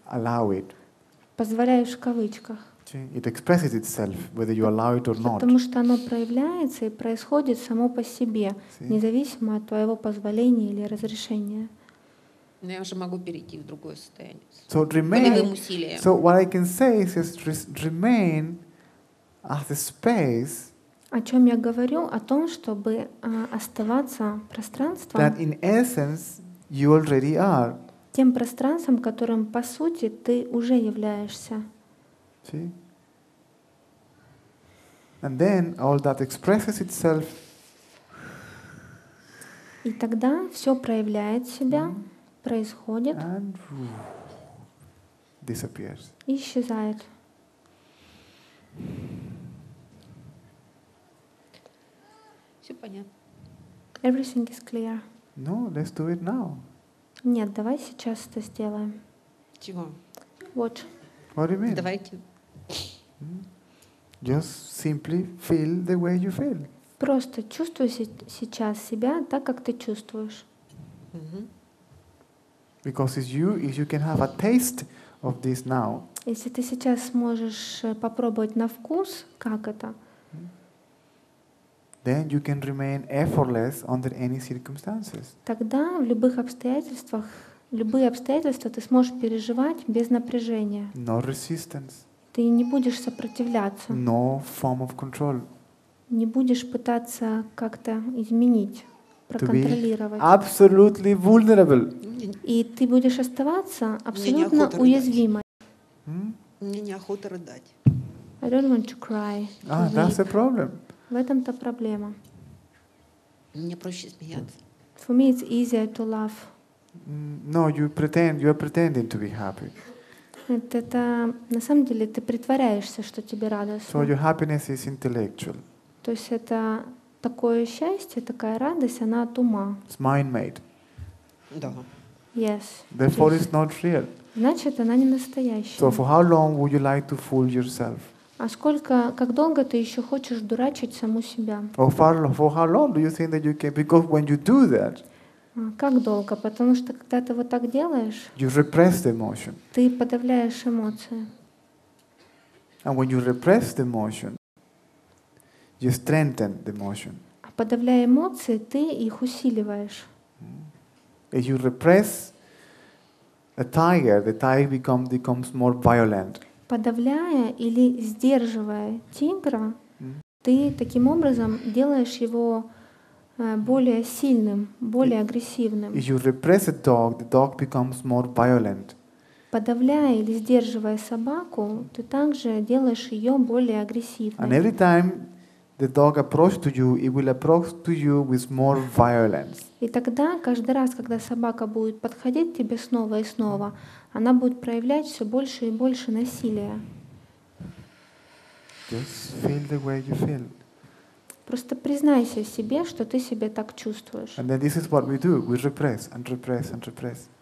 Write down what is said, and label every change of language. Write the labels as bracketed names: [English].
[English] Allow it. [Russian] Позволяешь в кавычках. [English] It expresses itself, whether you allow it or not. [Russian] Потому что оно проявляется и происходит само по себе, [English] See? [Russian] Независимо от твоего позволения или разрешения. Но я уже могу перейти в другое состояние. [English] So remain. So what I can say is just remain as the space. [Russian] О чем я говорю? О том, чтобы оставаться пространством. [English] That in essence you already are. [Russian] Тем пространством, которым по сути ты уже являешься. [English] See? And then all that expresses itself. [Russian] И тогда все проявляет себя, mm-hmm. происходит. [English] And disappears. [Russian] И исчезает. Все понятно. [English] Everything is clear. No, let's do it now. [Russian] Нет, давай сейчас это сделаем. Чего? Вот. [English] What do you mean? [Russian] Давайте. [English] Just simply feel the way you feel. [Russian] Просто чувствуй сейчас себя так, как ты чувствуешь. [English] Because it's you, if you can have a taste of this now. [Russian] Если ты сейчас сможешь попробовать на вкус, как это? [English] Then you can remain effortless under any circumstances. [Russian] Тогда в любых обстоятельствах, любые обстоятельства ты сможешь переживать без напряжения. [English] No resistance. [Russian] Ты не будешь сопротивляться. [English] No form of control. [Russian] Не будешь пытаться как-то изменить, проконтролировать. [English] To be absolutely vulnerable. [Russian] И ты будешь оставаться абсолютно уязвимой. Мне неохота рыдать. [English] I don't want to cry. Ah, that's a problem. [Russian] В этом-то проблема. Мне проще смеяться. [English] For me it's easier to laugh. No, you pretend. You are pretending to be happy. [Russian] Это на самом деле ты притворяешься, что тебе радостно. [English] So your happiness is intellectual. [Russian] То есть это такое счастье, такая радость, она от ума. [English] It's mind-made. [Russian] Да. [English] Yes. Therefore, it's not real. [Russian] Значит, она не настоящая. [English] So for how long would you like to fool yourself? [Russian] А сколько, как долго ты еще хочешь дурачить саму себя? [English] For how long do you think that you can? Because when you do that. [Russian] Как долго? Потому что когда ты вот так делаешь, [English] you repress the emotion. [Russian] Ты подавляешь эмоции. [English] And when you repress the emotion, you strengthen the emotion. [Russian] А подавляя эмоции, ты их усиливаешь. [English] If you repress the tiger becomes more violent. [Russian] Подавляя или сдерживая тигра, ты таким образом делаешь его более сильным, более агрессивным. [English] If you repress a dog, the dog becomes more violent. [Russian] Подавляя или сдерживая собаку, ты также делаешь ее более агрессивной. [English] And every time the dog approaches to you, it will approach to you with more violence. [Russian] И тогда каждый раз, когда собака будет подходить к тебе снова и снова, она будет проявлять все больше и больше насилия. [English] Just feel the way you feel. [Russian] Просто признайся себе, что ты себя так чувствуешь. [English] And then this is what we do. We repress and repress and repress.